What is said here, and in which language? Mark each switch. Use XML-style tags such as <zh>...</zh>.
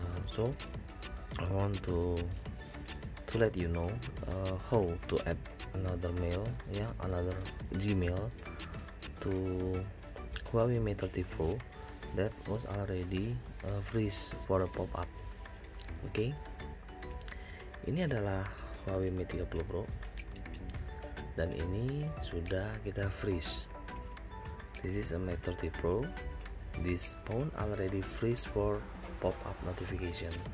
<en>So I want to let you know how to add another mail, another Gmail to HUAWEI Mate 30 Pro that was already freeze for a pop-up.</en> <id>Okay, ini adalah HUAWEI Mate 30 Pro dan ini sudah kita freeze.</id> <en>This is a Mate 30 Pro. This phone already freeze for pop-up notification.</en>